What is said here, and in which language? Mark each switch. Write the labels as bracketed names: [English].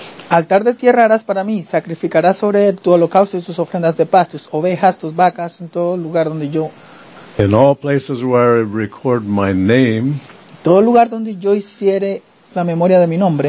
[Spanish] Altar de tierra harás para mí, sacrificarás sobre él tu holocausto y tus ofrendas de paz, tus ovejas, tus vacas, en todo lugar donde yo. [English] In all places where I record my name. [Spanish] Todo lugar donde yo hiciere la memoria de mi nombre.